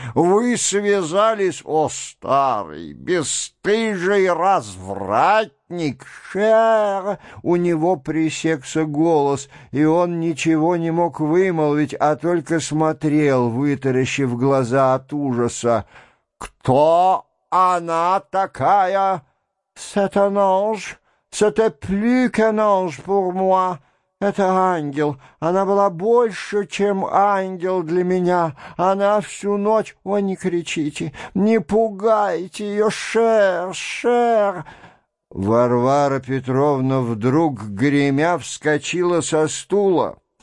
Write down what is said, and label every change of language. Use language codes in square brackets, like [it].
[ru] Вы связались, о, старый, бесстыжий развратник!» «Шер!» — у него пресекся голос, и он ничего не мог вымолвить, а только смотрел, вытаращив глаза от ужаса. «Кто она такая?» [fr] «C'est un ange, c'était plus qu'un ange pour moi. [ru] Это ангел. Она была больше, чем ангел для меня. Она всю ночь... О, не кричите, не пугайте ее, Шер, Шер!» Варвара Петровна вдруг, гремя, вскочила со стула.